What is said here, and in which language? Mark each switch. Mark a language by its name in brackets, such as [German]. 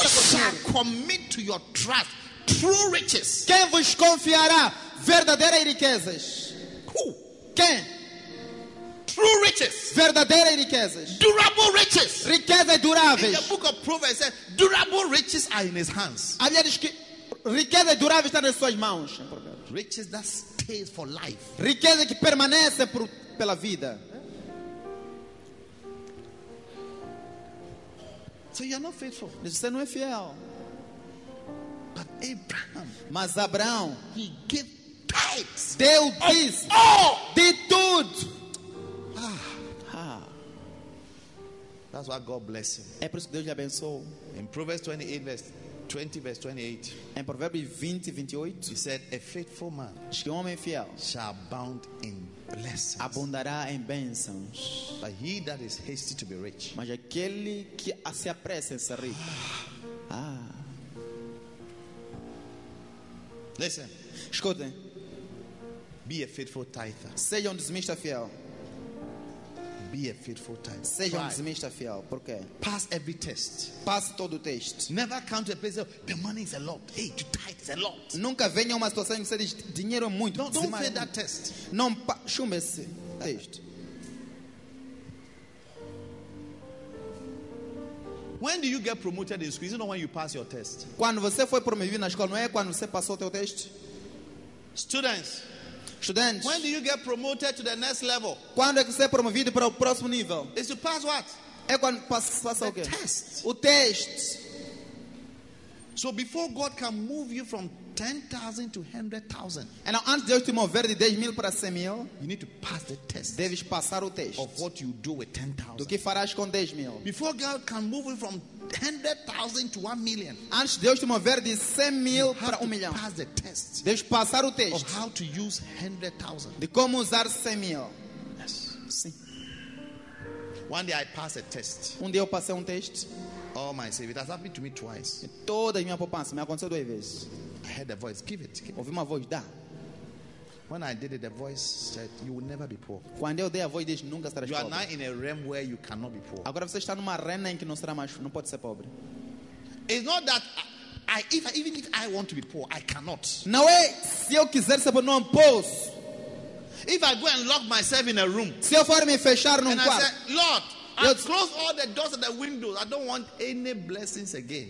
[English] Who shall commit to your trust true riches? [Portuguese] Quem vos confiará verdadeiras riquezas? [English] Who? [Portuguese] Quem? [English] True riches, [Portuguese] verdadeiras riquezas. [English] Durable riches, [Portuguese] riquezas duráveis. [English] In the book of Proverbs, it says, durable riches are in his hands. [Portuguese] A Bíblia diz que riqueza durável está nas suas mãos. [English] Riches that stays for life. [Portuguese] Riqueza que permanece pela vida. [English] So you are not faithful. [Portuguese] Você não é fiel. [English] But Abraham, [Portuguese] mas Abraão, [English] he gave tithes. [Portuguese] Deu diz. Oh, de tudo. [English] That's why God bless him. [Portuguese] É por isso que Deus lhe abençoou. [English] In Proverbs 28 verse 28. [Portuguese] Em Provérbios 20:28. [English] He said, a faithful man. [Portuguese] Diz que um homem fiel. [English] Shall abound in blessings. [Portuguese] Abundará em bênçãos. [English] But he that is hasty to be rich. [Portuguese] Mas aquele que se apressa em ser rico. [English] Listen. [Portuguese] Escutem. [English] Be a faithful tither. [Portuguese] Seja um dizimista fiel. [English] Be a faithful tither. [Portuguese] Seja um dizimista fiel. Por quê? [English] Pass every test. [Portuguese] Passe todo o teste. [English] Never come to a place of, the money is a lot. Hey, to tithe is a lot. [Portuguese] Nunca venha a uma situação em que você diz dinheiro é muito. [English] Don't fail that test. [Portuguese] Não chumbe esse teste. [English] When do you get promoted in school? Is it not when you pass your test? [Portuguese] Quando você foi promovido na escola, não é quando você passou o teu teste? [English] Students. Students, when do you get promoted to the next level? [Portuguese] Quando é que você é promovido para o próximo nível? [English] Is to pass what? [Portuguese] É quando passa o quê? [English] Test. [Portuguese] O teste. [English] So before God can move you from 10,000 to 100,000. And now [Portuguese] antes de Deus te mover de 10,000 para 100,000, [English] you need to pass the test. [Portuguese] Deves passar o teste. [English] Of what you do with 10,000. [Portuguese] Do que farás com 10,000? [English] Before God can move you from 100,000 to 1,000,000. [Portuguese] Antes de Deus te mover de 100,000 para 1,000,000. [English] Pass the test. [Portuguese] Deves passar o teste. [English] Of how to use 100,000. [Portuguese] De como usar 100,000. Sim. [English] One day I passed a test. [Portuguese] Um dia eu passei teste. [English] Oh my savior, that's happened to me twice. [Portuguese] Toda a minha poupança me aconteceu duas vezes. [English] I heard a voice, give it. [Portuguese] Ouvi uma voz, dá. [English] When I did it, the voice said, "You will never be poor." [Portuguese] Quando eu dei a voz, diz, nunca serás pobre. [English] You are now in a realm where you cannot be poor. [Portuguese] Agora você está numa arena em que não será mais, não pode ser pobre. [English] It's not that even if I want to be poor, I cannot. [Portuguese] Não é se eu quiser ser pobre, não posso. [English] If I go and lock myself in a room, [Portuguese] se eu for me fechar num quarto, [English] and I say, "Lord, I close all the doors and the windows. I don't want any blessings again."